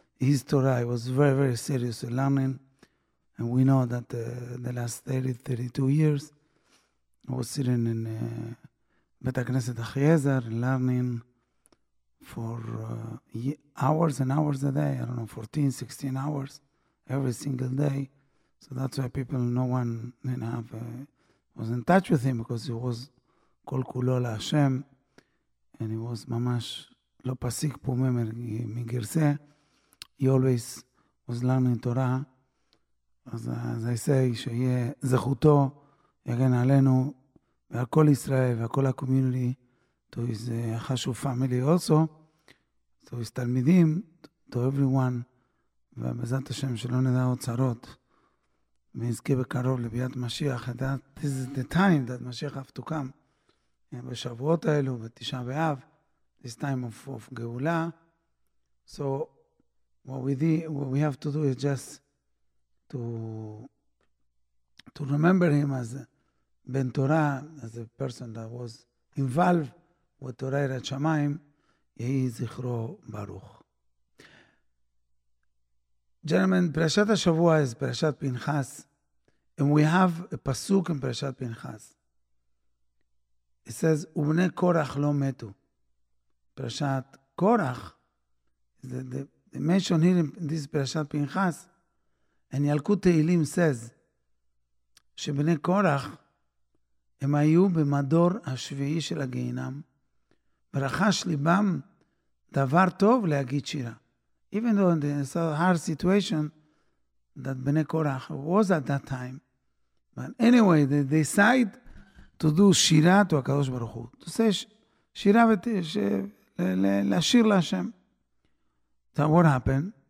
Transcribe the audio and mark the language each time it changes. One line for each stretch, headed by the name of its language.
English: His Torah, he was very, very serious in learning. And we know that the last 30, 32 years, I was sitting in Bet HaKnesset Achiezer, learning for hours and hours a day. I don't know, 14, 16 hours every single day. So that's why people, no one didn't have, was in touch with him, because he was
Hebrew: Kol Kulo LaHashem,
English: and he was
Hebrew: Mamash Lo Pasik Pumem Migirse.
English: He always was learning Torah. As I say,
Hebrew: שיהיה זכותו יגן עלינו ועל כל ישראל ועל כל הקומיוניטי, to his חשוב family also, to his תלמידים,
English: to everyone,
Hebrew: ובעזרת השם שלא נדע עוד צרות, ונזכה בקרוב לביאת משיח.
English: That this is the time that משיח have to come.
Hebrew: בשבועות האלו, בתשעה באב,
English: this time of
Hebrew: גאולה.
English: So, What we have to do is just to remember him as Ben Torah, as a person that was involved with Torah Yirat Shamayim. Yehi Zichro Baruch. Gentlemen, Parashat HaShavua is Parashat Pinchas, and we have a pasuk in Parashat Pinchas. It says, Ubnei Korach lo metu. Parashat Korach is the mention here in this Parashat Pinchas, and Yalkut Tehilim says, Shebnei Korach,
Hebrew: הם היו במדור השביעי של הגיהנם, ברחש ליבם דבר טוב להגיד שירה.
English: Even though in this hard situation, that Bnei Korach was at that time, but anyway, they decide to do Shira to HaKadosh Baruch Hu. To say, Shira,
Hebrew: לשיר להשם.
English: So what happened?